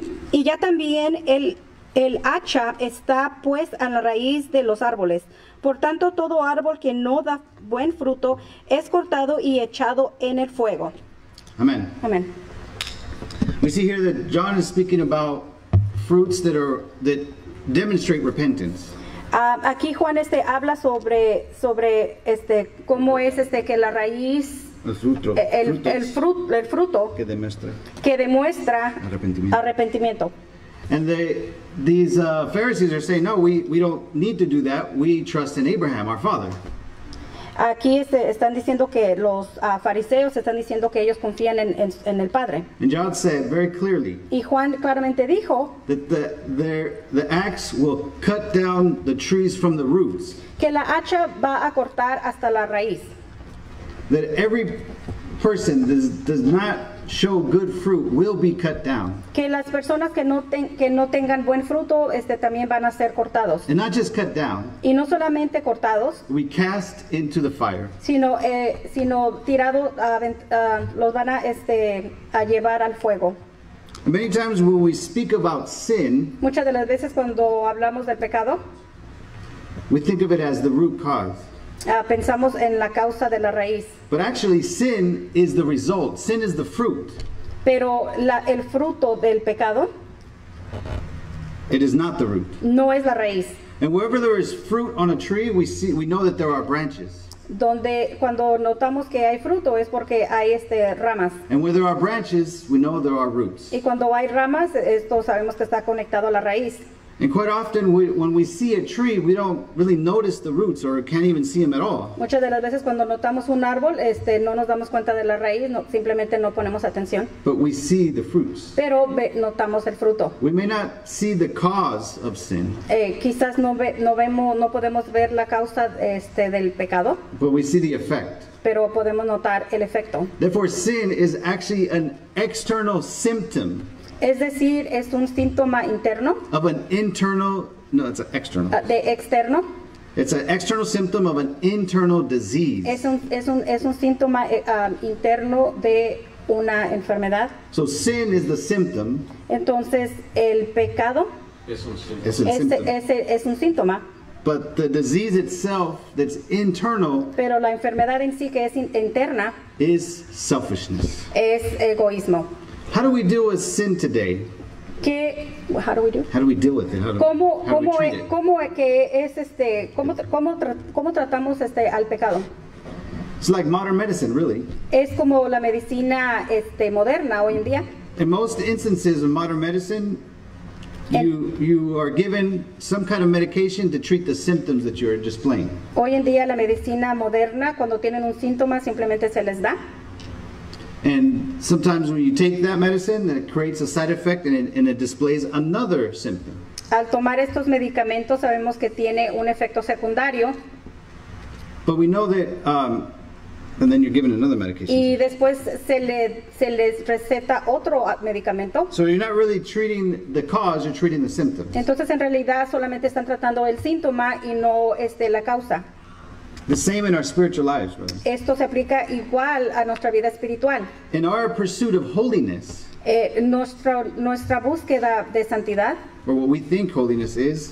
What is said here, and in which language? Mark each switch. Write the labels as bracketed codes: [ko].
[es] Y ya también el hacha está pues a la raíz de los árboles. Por tanto, todo árbol que no da buen fruto es cortado y echado en el fuego. Amén. Amén. [en] We see here that John is speaking about fruits that demonstrate repentance. [es] Aquí Juan habla sobre cómo es que la raíz, el fruto que demuestra arrepentimiento. [en] And these Pharisees are saying, no, we don't need to do that. We trust in Abraham, our father. [es] Aquí están diciendo que los fariseos están diciendo que ellos confían en el Padre. [en] And John said very clearly. [es] Y Juan claramente dijo [en] that the axe will cut down the trees from the roots. [es] Que la hacha va a cortar hasta la raíz. [en] That every person does not show good fruit will be cut down. [es] Que las personas que no tengan buen fruto también van a ser cortados. [en] And not just cut down. [es] Y no solamente cortados. [en] We cast into the fire. [es] Sino tirado los van a llevar al fuego. [en] Many times when we speak about sin, [es] muchas de las veces cuando hablamos del pecado, [en] we think of it as the root cause. [es] Pensamos en la causa de la raíz. [en] But actually sin is the result. Sin is the fruit. [es] Pero el fruto del pecado, [en] it is not the root. [es] No es la raíz. [en] And wherever there is fruit on a tree, we know that there are branches. [es] Donde cuando notamos que hay fruto es porque hay ramas. [en] And where there are branches, we know there are roots. [es] Y cuando hay ramas, esto sabemos que está conectado a la raíz. [en] And quite often, when we see a tree, we don't really notice the roots or can't even see them at all. [es] Muchas de las veces cuando notamos un árbol, no nos damos cuenta de la raíz, no, simplemente no ponemos atención. [en] But we see the fruits. [es] Pero notamos el fruto. [en] We may not see the cause of sin. [es] Quizás no podemos ver la causa del pecado. [en] But we see the effect. [es] Pero podemos notar el efecto. [en] Therefore, sin is actually an external symptom. [es] Es decir, es un síntoma interno. [en] Of an internal, no, it's an external. [es] De externo. [en] It's an external symptom of an internal disease. [es] Es un síntoma interno de una enfermedad. [en] So sin is the symptom. [es] Entonces, el pecado es un síntoma. [en] But the disease itself that's internal. [es] Pero la enfermedad en sí que es interna. [en] Is selfishness. [es] Es egoísmo. [en] How do we deal with sin today? How do we deal with it? [es] ¿Cómo tratamos al pecado? [en] It's like modern medicine, really. [es] Es como la medicina moderna hoy en día. [en] In most instances of modern medicine, you are given some kind of medication to treat the symptoms that you are displaying. [es] Hoy en día la medicina moderna cuando tienen un síntoma simplemente se les da. [en] And sometimes when you take that medicine, then it creates a side effect and it displays another symptom. [es] Al tomar estos medicamentos, sabemos que tiene un efecto secundario. [en] But we know that, and then you're given another medication. [es] Y después se les receta otro medicamento. [en] So you're not really treating the cause, you're treating the symptoms. [es] Entonces en realidad solamente están tratando el síntoma y no la causa. [en] The same in our spiritual lives, brothers. [es] Esto se aplica igual a nuestra vida espiritual. [en] In our pursuit of holiness. [es] Nuestra búsqueda de santidad. [en] Or what we think holiness is.